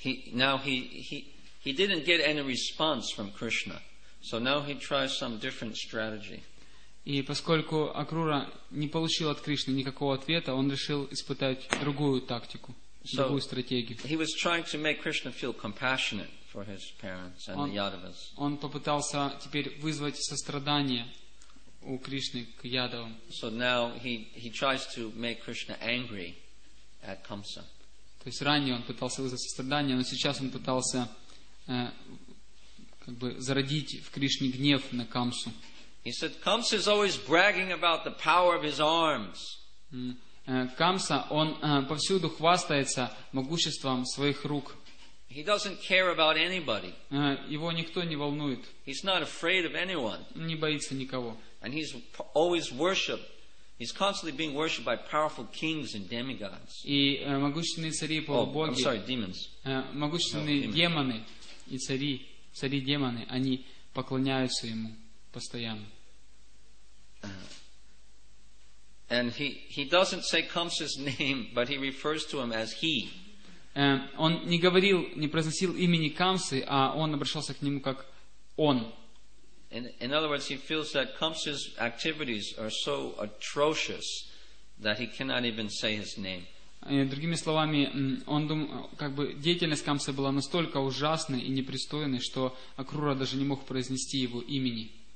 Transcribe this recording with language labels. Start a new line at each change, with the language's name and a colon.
English: So now he didn't get any response from Krishna. So now he tries some different strategy.
Russian: И поскольку Акрура не получил от Кришны никакого ответа, он решил испытать другую тактику, другую стратегию.
English: He was trying to make Krishna feel compassionate for his parents and the Yadavas.
Russian: Он попытался теперь вызвать сострадание у Кришны к Ядавам.
English: So now he tries to make Krishna angry at Kamsa.
Russian: То есть ранее он пытался вызвать сострадание, но сейчас он пытался как бы зародить в Кришне гнев на Камсу.
English: He said, Kamsa is always bragging about the power of his arms.
Russian: Камса, он повсюду хвастается могуществом своих рук.
English: He doesn't care about anybody.
Russian: Его никто не волнует.
English: He's not afraid of anyone.
Russian: Не боится никого.
English: And he's always worshipped. He's constantly being worshipped by powerful kings and demigods.
Russian: И могущественные цари и полубоги.
English: Oh, I'm sorry, demons.
Russian: Могущественные демоны и цари, цари-демоны, они поклоняются ему. Постоянно.
English: And he doesn't say Kamsa's name, but he refers to him as he.
Russian: Он не говорил, не произносил имени Камсы, а он обращался к нему как он.
English: In other words, he feels that Kamsa's activities are so atrocious that he cannot even say his name.
Russian: Другими словами, он как бы деятельность Камсы была настолько ужасной и непристойной, что Акрура даже не мог произнести его имени.